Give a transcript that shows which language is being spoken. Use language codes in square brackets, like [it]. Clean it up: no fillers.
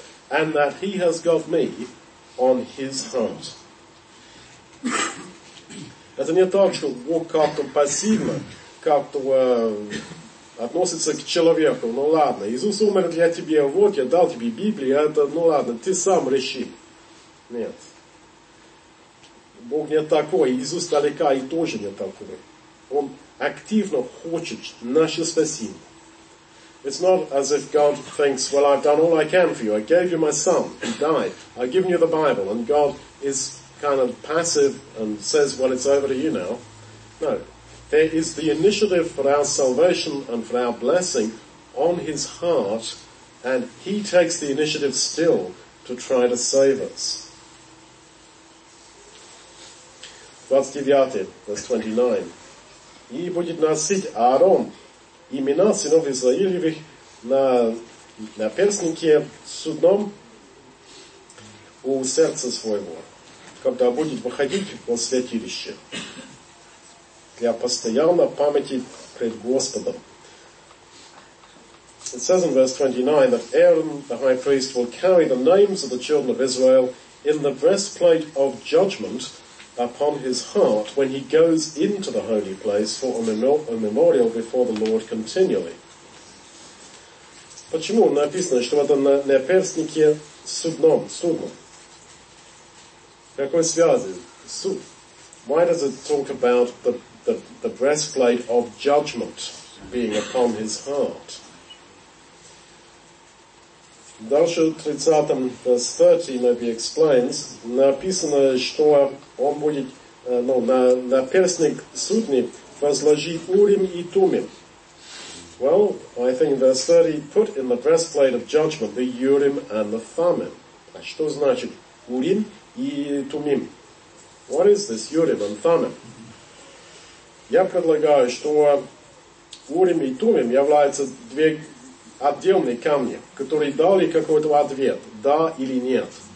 [en] And that He has got me on His heart. [ru] Это не так, что Бог как-то пассивно как-то относится к человеку. Ну ладно, Иисус умер для тебя, вот я дал тебе Библию, это, ну ладно, ты сам реши. Нет. Бог не такой, Иисус далека и тоже не такой. Он активно хочет наше спасение. [en] It's not as if God thinks, well, I've done all I can for you. I gave you my son, he died. I've given you the Bible, and God is kind of passive and says, well, it's over to you now. No. There is the initiative for our salvation and for our blessing on his heart, and he takes the initiative still to try to save us. Verse 29. [ru] И будет носить Аарон имена сынов Израилевых на перстнике судном у сердца своего. Когда будет выходить во святилище для постоянной памяти пред Господом. [en] It says in verse 29 that Aaron, the high priest, will carry the names of the children of Israel in the breastplate of judgment upon his heart when he goes into the holy place for a memorial before the Lord continually. [ru] Почему написано, что это на перстнике судном, судном? Какой связи? Суд. [en] Why does it talk about the breastplate of judgment being upon his heart? [ru] Дальше в 30 [en] verse 30 maybe explains, [ru] написано, что он будет на перстник судни возложить Урим и Тумим. [en] Well, I think verse 30 put in the breastplate of judgment the Urim and the Thummim. [ru] А что значит Урим и Тумим? [en] What is this Urim and Thummim? [ru] Я предлагаю, что Урим и Тумим являются две отдельные камни, которые дали какой-то ответ, да или нет.